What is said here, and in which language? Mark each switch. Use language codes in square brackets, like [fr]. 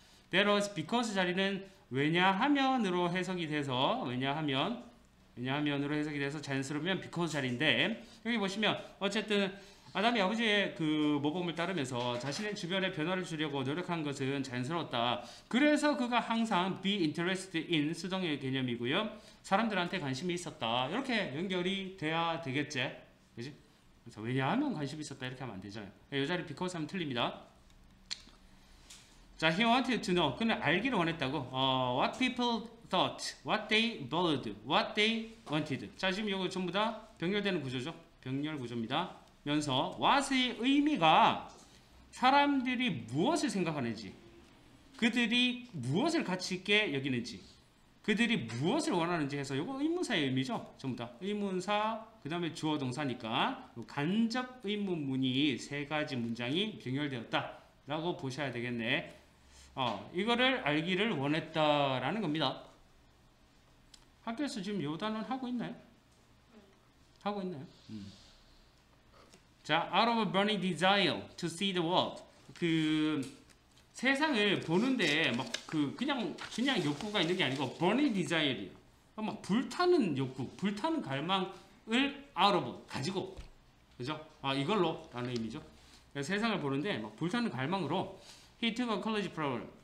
[en] that was because [ko] 자리는 왜냐하면으로 해석이 돼서 왜냐하면으로 해석이 돼서 자연스러우면 because 자리인데 여기 보시면 어쨌든 아담이 아버지의 그 모범을 따르면서 자신의 주변에 변화를 주려고 노력한 것은 자연스러웠다. 그래서 그가 항상 [en] be interested in [ko] 수동의 개념이고요. 사람들한테 관심이 있었다. 이렇게 연결이 돼야 되겠지. 그지? 그래서 왜냐하면 관심이 있었다. 이렇게 하면 안 되잖아요. 이 자리 because 하면 틀립니다. [en] 자, he wanted to know. [ko] 그는 알기를 원했다고. [en] What people thought, what they valued, what they wanted. [ko] 자, 지금 이거 전부 다 병렬되는 구조죠. 병렬 구조입니다. 면서 what의 의미가 사람들이 무엇을 생각하는지, 그들이 무엇을 가치 있게 여기는지, 그들이 무엇을 원하는지 해서 이거 의문사의 의미죠. 전부 다 의문사, 그 다음에 주어 동사니까 간접 의문문이 세 가지 문장이 병렬되었다라고 보셔야 되겠네. 이거를 알기를 원했다라는 겁니다. 학교에서 지금 요 단원 하고 있나요? 하고 있나요? [en] 자, out of a burning desire to see the world. [ko] 그 세상을 보는데 막그 그냥 욕구가 있는 게 아니고 [en] burning desire [ko] 이에요. 막 불타는 욕구, 불타는 갈망을 [en] out of [ko] 가지고, 그죠? 이걸로라는 의미죠. 세상을 보는데 막 불타는 갈망으로 [en] he took a college program.